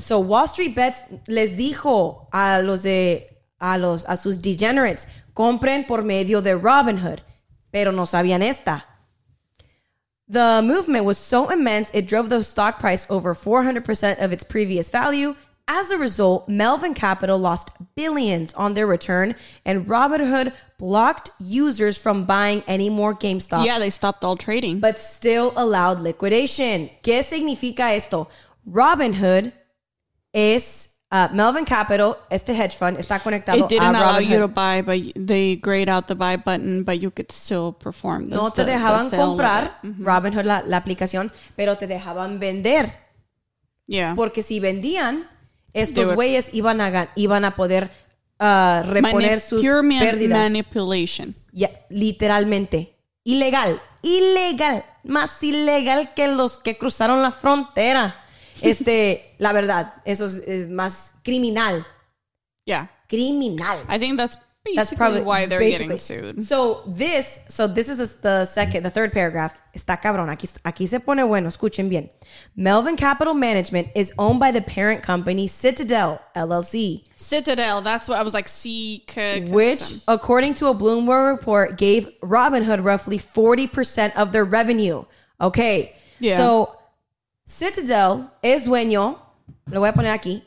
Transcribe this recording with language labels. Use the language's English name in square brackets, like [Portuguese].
[Spanish] So Wall Street Bets les dijo a sus degenerates, compren por medio de Robinhood. Pero no sabían esta. [English] The movement was so immense, it drove the stock price over 400% of its previous value. As a result, Melvin Capital lost billions on their return, and Robinhood blocked users from buying any more GameStop. Yeah, they stopped all trading. But still allowed liquidation. [Spanish] ¿Qué significa esto? Robinhood es... Melvin Capital, este hedge fund, está conectado a Robinhood. [English] It didn't allow you to buy, but they grayed out the buy button, but you could still perform the [Spanish] sale. No te dejaban comprar, Robinhood, la aplicación, pero te dejaban vender. [English] Yeah. [Spanish] Porque si vendían, estos güeyes iban a poder reponer sus pérdidas. [English] Pure manipulation. Yeah, [Spanish] literalmente. Ilegal. Ilegal. Más ilegal que los que cruzaron la frontera. la verdad, eso es más criminal. [English] Yeah. [Spanish] Criminal. [English] I think that's probably why they're getting sued. So this is the third paragraph. [Spanish] Está cabrón. Aquí se pone bueno. Escuchen bien. [English] Melvin Capital Management is owned by the parent company Citadel, LLC. Citadel. That's what I was like. Which, according to a Bloomberg report, gave Robinhood roughly 40% of their revenue. Okay. Yeah. [Spanish] So Citadel es dueño, lo voy a poner aquí.